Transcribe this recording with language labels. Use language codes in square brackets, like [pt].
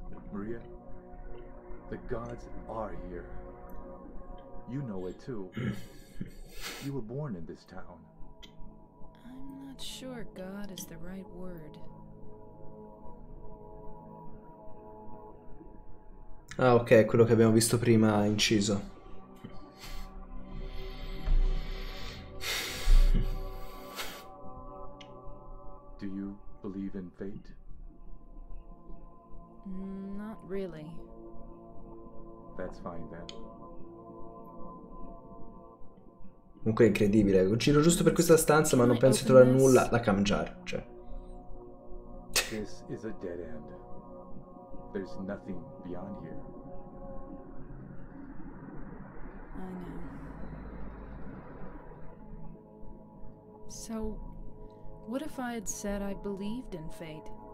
[en] Maria, the gods are here. You know it too. You were born in this town. I'm not sure God is the right word. [it] Ah, ok, quello che abbiamo visto prima inciso. [en] Do you believe in fate? Not really. That's fine then. [it] Comunque è incredibile, giro giusto per questa stanza, ma non penso di trovare nulla. La cam jar, cioè. [en] This is a dead end. There's nothing beyond here. I know. So, what if I had said I believed in fate?